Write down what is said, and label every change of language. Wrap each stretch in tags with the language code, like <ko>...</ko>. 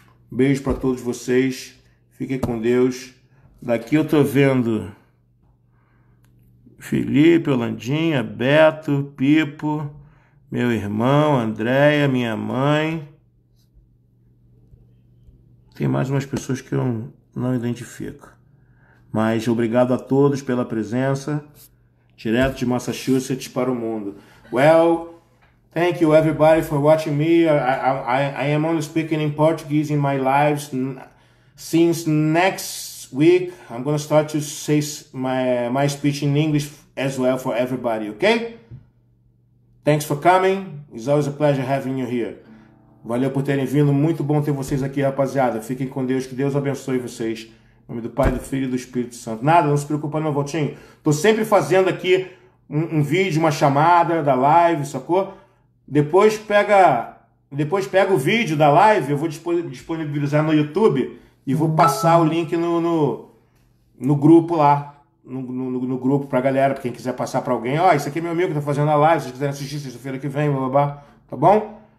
<pt>Beijo para todos vocês. Fiquem com Deus. Daqui eu tô vendo Felipe, Holandinha, Beto, Pipo, meu irmão, Andréia, minha mãe. Tem mais umas pessoas que eu não identifico. Mas obrigado a todos pela presença. Direto de Massachusetts para o mundo.</pt> <en>Well, thank you everybody for watching me. I am only speaking in Portuguese in my lives. Since next week, I'm going to start to say my speech in English as well for everybody, okay? Thanks for coming. It's always a pleasure having you here.</en> <pt>Valeu por terem vindo. Muito bom ter vocês aqui, rapaziada. Fiquem com Deus. Que Deus abençoe vocês. Em nome do Pai, do Filho e do Espírito Santo. Nada, não se preocupa não, Voltinho. Tô sempre fazendo aqui um vídeo, uma chamada da live, sacou? Depois pega o vídeo da live, eu vou disponibilizar no YouTube e vou passar o link no grupo lá, no grupo pra galera, pra quem quiser passar pra alguém. Ó, esse aqui é meu amigo que tá fazendo a live, se vocês quiserem assistir sexta-feira que vem, bababá, tá bom?</pt>